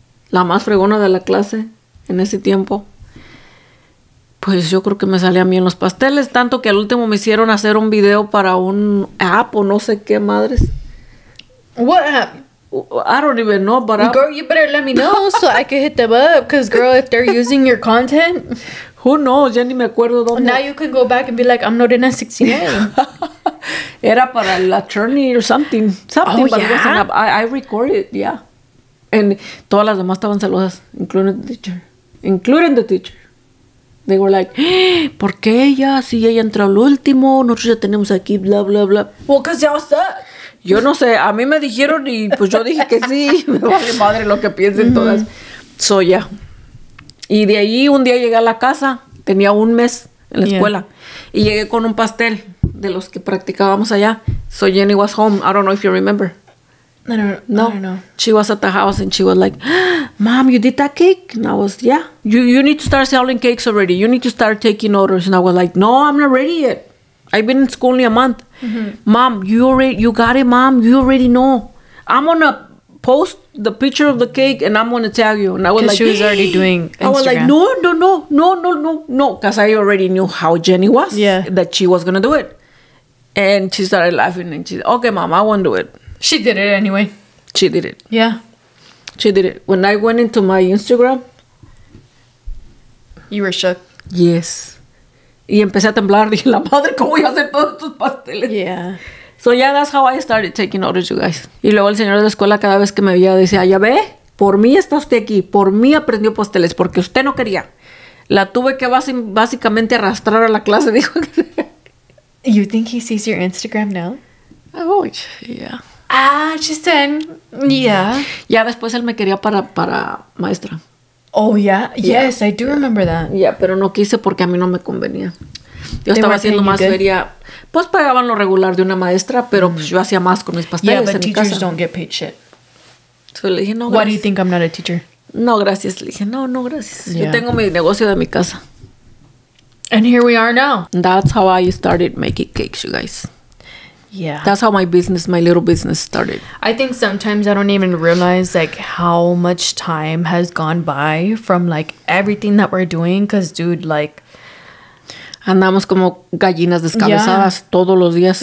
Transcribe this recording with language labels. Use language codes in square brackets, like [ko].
[es] La más fregona de la clase en ese tiempo. Pues yo creo que me salían bien los pasteles, tanto que al último me hicieron hacer un video para un app o no sé qué madres. [en] What app? I don't even know, but girl, you better let me know so I can hit them up. Because, girl, if they're using your content. [es] Who knows? Ya ni me acuerdo dónde. [en] Now you can go back and be like, I'm not in a 69. [es] Era para el [en] attorney or something. Something, oh, but yeah? It wasn't up. I recorded, yeah. And [es] todas las demás estaban celosas, [en] including the teacher. They were like, [es] ¿por qué ella? Si ella entró al último, nosotros ya tenemos aquí, bla, bla, bla. [en] Well, because y'all suck. [es] Yo no sé, a mí me dijeron y pues yo dije que sí. Me vale madre lo que piensen todas. So, ya. Yeah. Y de ahí un día llegué a la casa. Tenía un mes en la escuela. Yeah. Y llegué con un pastel de los que practicábamos allá. [en] So, Jenny was home. I don't know if you remember. I don't know. She was at the house and she was like, Mom, you did that cake? And I was, yeah. You need to start selling cakes already. You need to start taking orders. And I was like, no, I'm not ready yet. I've been in school only a month. Mm-hmm. Mom, you got it, Mom. You already know. I'm going to post the picture of the cake and I'm going to tag you. And I was like, she was already doing Instagram. I was like, no. Because I already knew how Jenny was. Yeah. That she was going to do it. And she started laughing and she said, okay, Mom, I won't do it. She did it anyway. She did it. Yeah. She did it. When I went into my Instagram. You were shook. [es] Yes. Y empecé a temblar. Dije, la madre, ¿cómo voy a hacer todos estos pasteles? [en] Yeah. So, yeah, that's how I started taking orders, you guys. [es] Y luego el señor de la escuela cada vez que me veía decía, ya ve, por mí está usted aquí. Por mí aprendió pasteles, porque usted no quería. La tuve que básicamente arrastrar a la clase, dijo. [en] You think he sees your Instagram now? Oh, yeah. Ah, just then. Yeah. [es] Ya después él me quería para maestra. [en] Oh, yeah. Yes, yeah. I do remember that. [es] Yeah, pero no quise porque a mí no me convenía. Yo estaba haciendo más feria. Pues pagaban lo regular de una maestra, pero pues yo hacía más con mis pasteles en mi casa. [en] Yeah, but teachers don't get paid shit. [es] So le dije, no, gracias. [en] Why do you think I'm not a teacher? [es] No, gracias. Le dije, no, gracias. Yeah. Yo tengo mi negocio de mi casa. [en] And here we are now. That's how I started making cakes, you guys. Yeah. That's how my little business started. I think sometimes I don't even realize like how much time has gone by from like everything that we're doing. Because, dude, like. [es] Andamos como gallinas descabezadas, yeah, todos los días.